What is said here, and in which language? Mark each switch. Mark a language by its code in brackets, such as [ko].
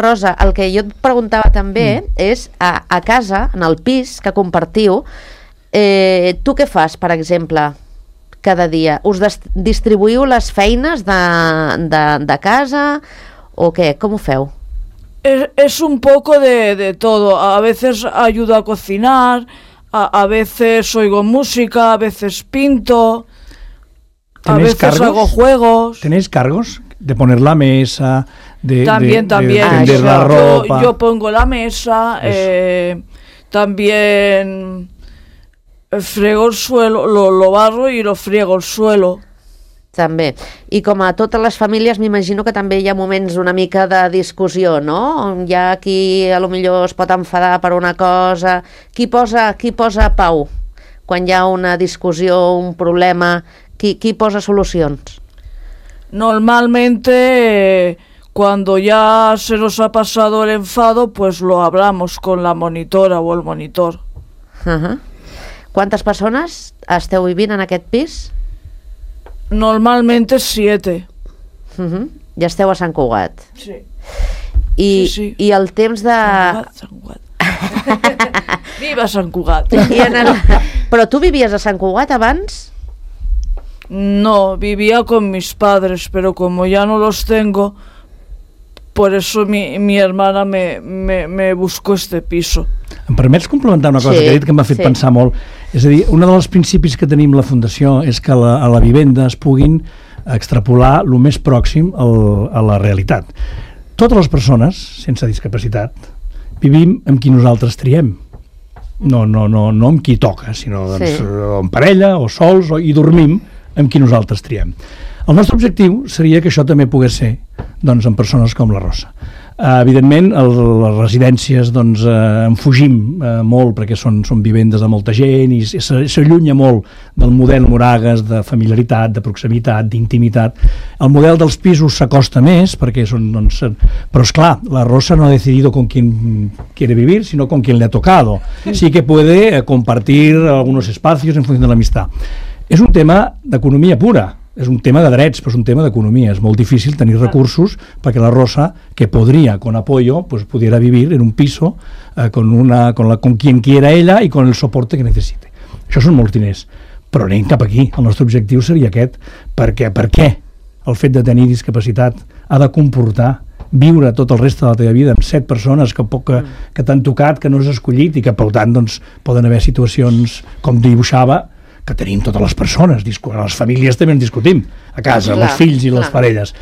[ca] Rosa, el que jo et preguntava també és a casa, en el pis que compartiu, tu què fas, per exemple, cada dia? Us distribuïu les feines de casa o què? Com ho feu? [es] És un poco de todo. A veces ayudo a cocinar, a veces oigo música, a veces pinto, a veces cargos? Hago juegos. ¿Tenéis cargos? De poner la mesa, de tender la ropa. Yo pongo la mesa, también... Frego el suelo, lo barro y lo friego el suelo. [ca] També. I com a totes les famílies, m'imagino que també hi ha moments una mica de discussió, no? Hi ha qui a lo millor es pot enfadar per una cosa. Qui posa pau quan hi ha una discussió, un problema? Qui posa solucions? [es] Normalmente, cuando ya se nos ha pasado el enfado, pues lo hablamos con la monitora o el monitor. ¿Cuántas personas [ca] esteu vivint en aquest pis? [es] Normalmente 7. [ca] Ja esteu a Sant Cugat. Sí. I el temps de... Sant Cugat. Viva Sant Cugat. Però tu vivies a Sant Cugat abans? [es] No, vivía con mis padres, pero como ya no los tengo, por eso mi hermana me buscó este piso. [ca] Em permets complementar una cosa que he dit que m'ha fet pensar molt? És a dir, un dels principis que tenim la Fundació és que a la vivenda es puguin extrapolar el més pròxim a la realitat. Totes les persones sense discapacitat vivim amb qui nosaltres triem. No amb qui toca, sinó doncs, amb parella o sols i dormim amb qui nosaltres triem. El nostre objectiu seria que això també pogués ser doncs, amb persones com la Rosa. Evidentment, les residències doncs, en fugim molt perquè són vivendes de molta gent i s'allunya molt del model Moragues de familiaritat, de proximitat, d'intimitat. El model dels pisos s'acosta més perquè són... Doncs, però, és clar, la Rosa no ha decidit [es] con quién quiere vivir, [ca] sinó [es] con quién le ha tocado. Sí que puede compartir algunos espacios en función de [ca] l'amistat. És un tema d'economia pura. És un tema de drets, però és un tema d'economia. És molt difícil tenir recursos perquè la Rosa, que podria, [es] con apoyo, pues, pudiera vivir en un piso con quien quiera ella i con el soporte que necessite. [ca] Això són molts diners. Però anem cap aquí. El nostre objectiu seria aquest. Per què el fet de tenir discapacitat ha de comportar viure tot el reste de la teva vida amb 7 persones que t'han tocat, que no has escollit i que, per tant, doncs, poden haver situacions com dibuixava, que tenim totes les persones, les famílies també en discutim, a casa, els fills i les parelles.